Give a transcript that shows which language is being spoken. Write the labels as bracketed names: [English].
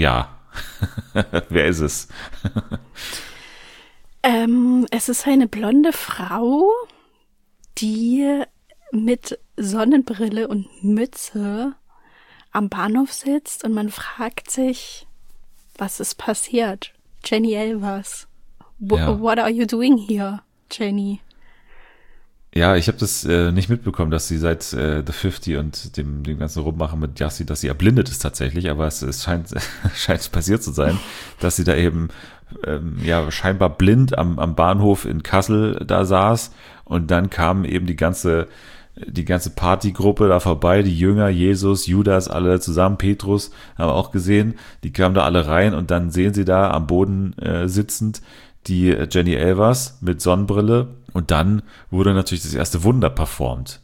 [German] Ja, wer ist es? Es ist eine blonde Frau, die mit Sonnenbrille und Mütze am Bahnhof sitzt und man fragt sich, was ist passiert? [English] Jenny Elvers, what are you doing here, Jenny? [German] Ja, ich habe das nicht mitbekommen, dass sie seit The 50 und dem ganzen Rummachen mit Yassi, dass sie erblindet ist tatsächlich, aber es scheint passiert zu sein, dass sie da eben scheinbar blind am Bahnhof in Kassel da saß und dann kam eben die ganze Partygruppe da vorbei, die Jünger, Jesus, Judas, alle zusammen, Petrus, haben auch gesehen, die kamen da alle rein und dann sehen sie da am Boden sitzend die Jenny Elvers mit Sonnenbrille und dann wurde natürlich das erste Wunder performt.